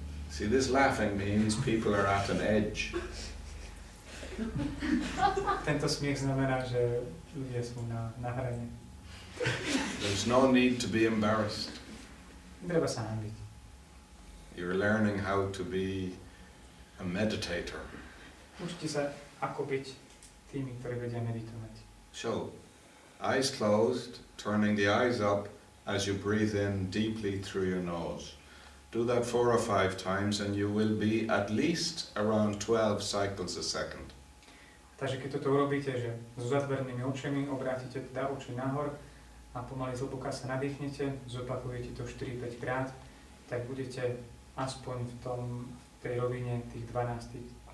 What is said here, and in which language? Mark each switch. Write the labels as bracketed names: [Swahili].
[English] See, this laughing means people are at an edge. [Slovak] Tento smiech znamená, že ľudia sú na hrane. [English] There's no need to be embarrassed. [Slovak] Treba sa hambiť. [English] You're learning how to be a meditator. [Slovak] Učite sa, ako byť tými, ktorí vedia meditovať. [English] So, eyes closed, turning the eyes up, as you breathe in deeply through your nose. Do that 4 or 5 times and you will be at least around 12 cycles a second. [Slovak] Takže keď toto urobíte, že s zatvorenými očami obrátite teda oči nahor a pomaly zhlboka sa nadýchnete, zopakujete to 4-5 krát, tak budete aspoň v tej rovine tých 12